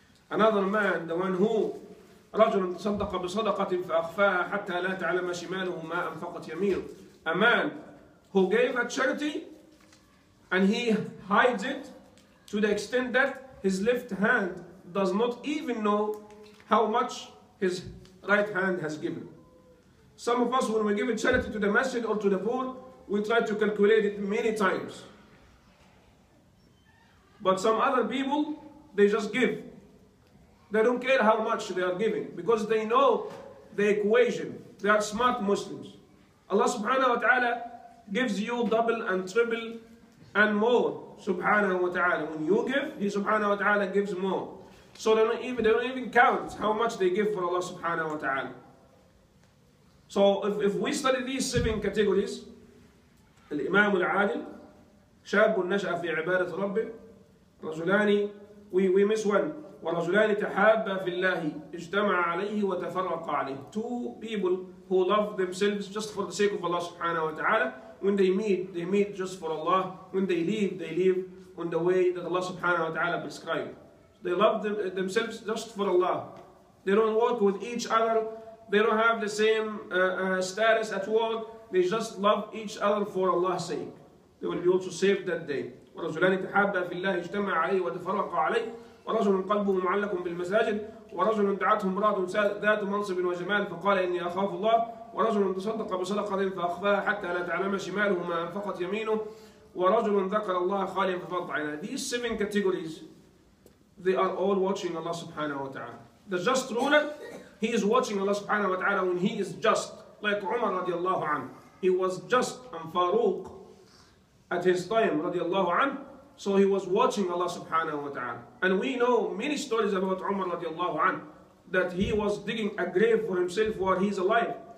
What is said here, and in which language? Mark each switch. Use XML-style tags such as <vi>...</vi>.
<en>Another man, the one who</en> <ar>رجل صدق بصدقة فأخفاها حتى لا تعلم شماله ما أنفقت يمينه.</ar> <en>A man who gave a charity and he hides it to the extent that his left hand does not even know how much his right hand has given. Some of us, when we give a charity to the masjid or to the poor, we try to calculate it many times. But some other people, they just give. They don't care how much they are giving because they know the equation. They are smart Muslims. Allah subhanahu wa ta'ala gives you double and triple and more, subhanahu wa ta'ala. When you give, He subhanahu wa ta'ala gives more. So they don't even count how much they give for Allah subhanahu wa ta'ala. So if we study these seven categories, al-imam al-adil, shabun nasha fi ibadat rabbi, rajulani, we miss one.</en> <ar>ورجلان تحابا في الله اجتمع عليه وتفرق عليه.</ar> <en>Two people who love themselves just for the sake of Allah subhanahu wa ta'ala. When they meet just for Allah. When they leave on the way that Allah subhanahu wa ta'ala prescribed. They love themselves just for Allah. They don't work with each other. They don't have the same status at work. They just love each other for Allah's sake. They will be also saved that day.</en> <ar>ورجلان تحابا في الله اجتمع عليه وتفرق عليه. ورجل قلبه معلق بالمساجد ورجل دعته امرأة ذات منصب وجمال فقال إني أخاف الله ورجل تصدق بصدقة فأخفاها حتى لا تعلم شماله ما أنفقت يمينه ورجل ذكر الله خاليا ففض عينه.</ar> <en>These seven categories, they are all watching Allah subhanahu wa ta'ala. The just ruler, he is watching Allah subhanahu wa ta'ala when he is just, like Umar radiallahu anhu. He was just and Faruq at his time radiallahu anhu. So he was watching Allah subhanahu wa ta'ala. And we know many stories about Umar radiallahu anhu, that he was digging a grave for himself while he's alive.</en>